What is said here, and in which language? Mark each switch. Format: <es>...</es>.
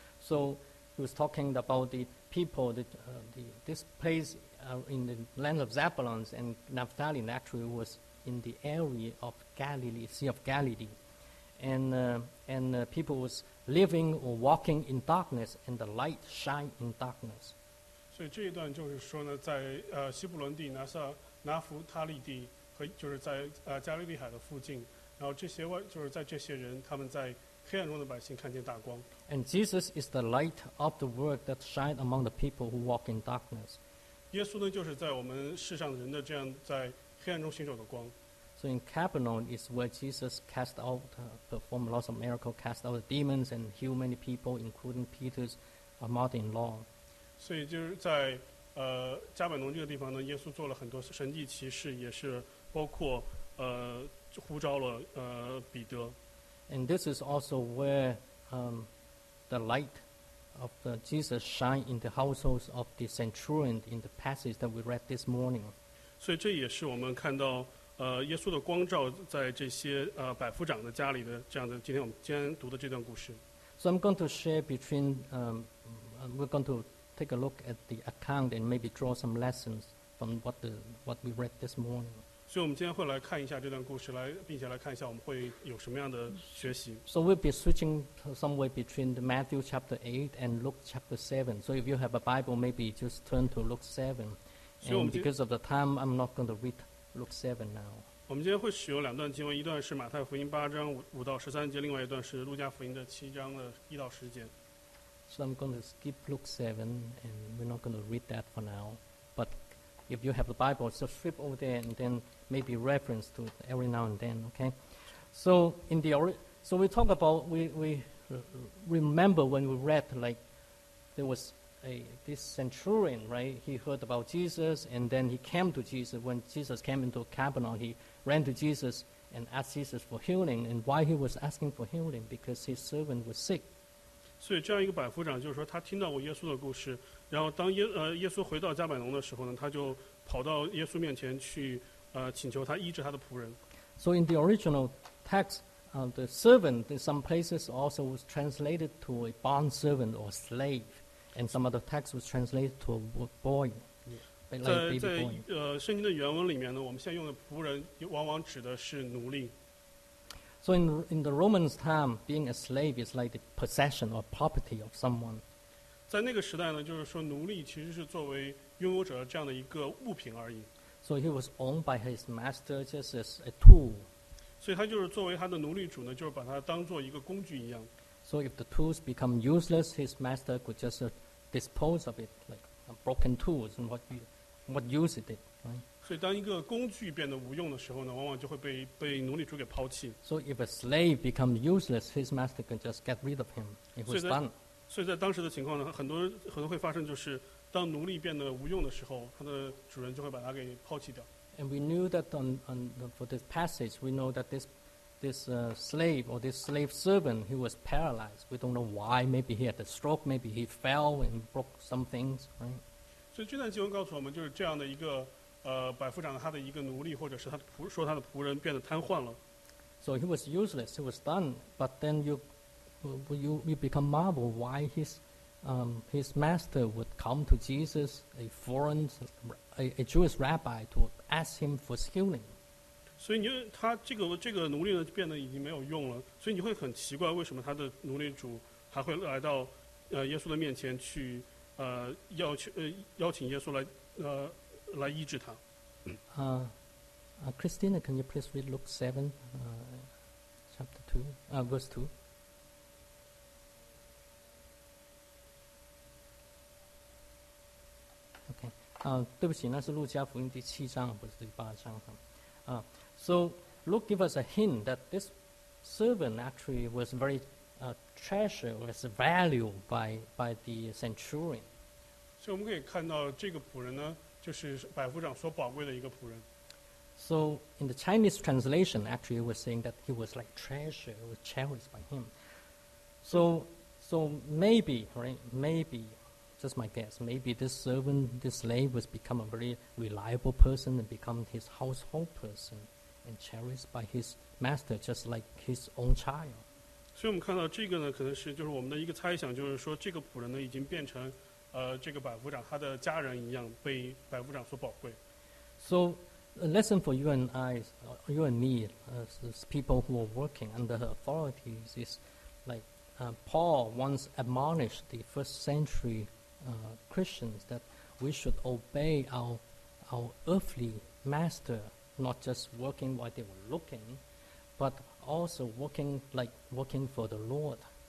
<en>So he was talking about the people, this place in the land of Zebulun and Naphtali actually was in the area of Galilee, Sea of Galilee. And people was living or walking in darkness and the light shine in darkness.</en> <zh>所以这一段就是说呢，在西布伦地、拿弗他利地和就是在加利利海的附近，然后这些外就是在这些人他们在黑暗中的百姓看见大光。</zh> <en>And Jesus is the light of the world that shines among the people who walk in darkness.</en> <zh>耶稣呢就是在我们世上的人的这样在黑暗中行走的光。</zh> <en>So in Capernaum is where Jesus cast out, performed lots of miracles, cast out demons and healed many people, including Peter's mother-in-law.</en> <zh>所以就是在加百农这个地方呢，耶稣做了很多神迹奇事，也是包括呼召了彼得。</zh> <en>And this is also where the light of the Jesus shine in the households of the centurion in the passage that we read this morning.</en> <zh>所以这也是我们看到耶稣的光照在这些百夫长的家里的这样的今天我们今天读的这段故事。</zh> <en>So I'm going to share between we're going to take a look at the account and maybe draw some lessons from what we read this morning.</en> <zh>所以我们今天会来看一下这段故事，来并且来看一下我们会有什么样的学习。</zh> <en>So we'll be switching somewhere between the Matthew chapter 8 and Luke chapter 7. So if you have a Bible, maybe just turn to Luke 7. And because of the time, I'm not going to read Luke 7 now.</en> <zh>我们今天会使用两段经文，一段是马太福音八章五到十三节，另外一段是路加福音的七章的一到十节。</zh> <en>So I'm going to skip Luke 7, and we're not going to read that for now. But if you have the Bible, just flip over there, and then maybe reference to it every now and then. Okay. So in the we remember when we read, like there was this centurion, right? He heard about Jesus, and then he came to Jesus. When Jesus came into Capernaum, he ran to Jesus and asked Jesus for healing. And why he was asking for healing? Because his servant was sick.</en> <zh>所以这样一个百夫长就是说他听到过耶稣的故事，然后当耶稣回到加百农的时候呢，他就跑到耶稣面前去请求他医治他的仆人。</zh> <en>So in the original text the servant in some places also was translated to a bond servant or slave, and some other text was translated to a boy, like baby boy.</en> <zh>在圣经的原文里面呢，我们现在用的仆人往往指的是奴隶。</zh> <en>So in the Roman's time, being a slave is like the possession or property of someone.</en> <zh>在那个时代呢，就是说奴隶其实是作为拥有者这样的一个物品而已。</zh> <en>So he was owned by his master just as a tool.</en> <zh>所以他就是作为他的奴隶主呢，就是把他当做一个工具一样。</zh> <en>So if the tools become useless, his master could just dispose of it, like broken tools, and what use it did, right?</en> <zh>所以，当一个工具变得无用的时候呢，往往就会被奴隶主给抛弃。</zh> <en>So if a slave becomes useless, his master can just get rid of him. It was done.</en> <zh>所以在当时的情况呢，很多会发生，就是当奴隶变得无用的时候，他的主人就会把他给抛弃掉。</zh> <en>And we knew that for this passage, we know that this slave or this slave servant, he was paralyzed. We don't know why. Maybe he had a stroke. Maybe he fell and broke some things. Right.</en> <zh>所以这段经文告诉我们，就是这样的一个。百夫长他的一个奴隶，或者是他的仆，说他的仆人变得瘫痪了。</zh> <en>So he was useless. He was done. But then you become marvel why his master would come to Jesus, a Jewish rabbi, to ask him for healing.</en> <zh>所以他这个奴隶呢，变得已经没有用了。所以你会很奇怪，为什么他的奴隶主还会来到耶稣的面前去邀请耶稣来来医治他。</zh> <en>Christina, can you please read Luke 7, chapter 2, verse 2? Okay.</en> <zh>对不起，那是路加福音第七章，不是第八章。</zh> <en>So Luke gives us a hint that this servant actually was very treasured, was valued by the centurion.</en> <zh>所以我们可以看到这个仆人呢，就是百夫长所宝贵的一个仆人。</zh> <en>So in the Chinese translation, actually, we're saying that he was like treasure, was cherished by him. So maybe, right? Maybe, just my guess. Maybe this servant, this slave, was become a very reliable person and become his household person and cherished by his master, just like his own child.</en> <zh>所以我们看到这个呢，可能是就是我们的一个猜想，就是说这个仆人呢已经变成。这个百夫长他的家人一样被百夫长所宝贵。</zh> <en>So a lesson for you and I, you and me, as people who are working under her authorities, is like Paul once admonished the first century Christians that we should obey our earthly master, not just working while they were looking, but also working for the Lord.</en>